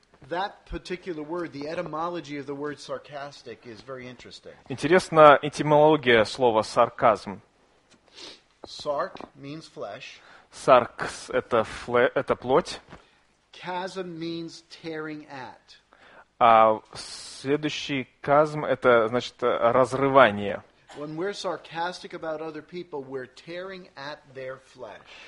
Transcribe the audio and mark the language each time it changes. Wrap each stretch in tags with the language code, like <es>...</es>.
<en>That particular word, the etymology of the word sarcastic is very interesting.</en> <ru>Интересна этимология слова сарказм.</ru> <en>Sark means flesh.</en> <ru>Саркс – это это плоть.</ru> <en>Chasm means tearing at.</en> <ru>А следующий казм – это, значит, разрывание.</ru> <en>When we're sarcastic about other people, we're tearing at their flesh.</en>